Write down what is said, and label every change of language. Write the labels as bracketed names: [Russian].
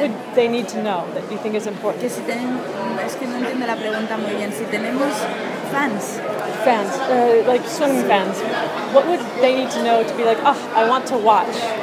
[English] would they need to know that you think is important? [Spanish] Que si es que no entiendo la pregunta muy bien. Si tenemos fans. [English] Fans, like swimming fans. What would they need to know to be like, oh, I want to watch?